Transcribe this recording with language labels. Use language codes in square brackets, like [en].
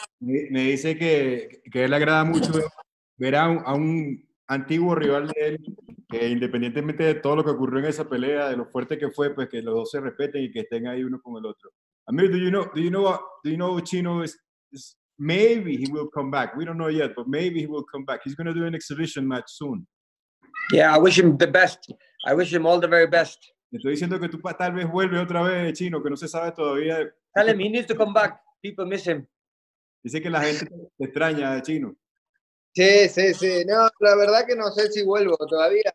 [es] Me dice que él agrada mucho ver a un antiguo rival de él, que independientemente de todo lo que ocurrió en esa pelea, de lo fuerte que fue, pues que los dos se respeten y que estén ahí uno con el otro. [en] Amir, do you know Chino is maybe he will come back. We don't know yet, but maybe he will come back. He's going to do an exhibition match soon. Yeah, I wish him the best. I wish him all the very best. [es] Estoy diciendo que tú tal vez vuelves otra vez, Chino, que no se sabe todavía. [en] Tell him he needs to come back. People miss him. [es] Dice que la gente te extraña, Chino. Sí, sí, sí. No, la verdad que no sé si vuelvo todavía.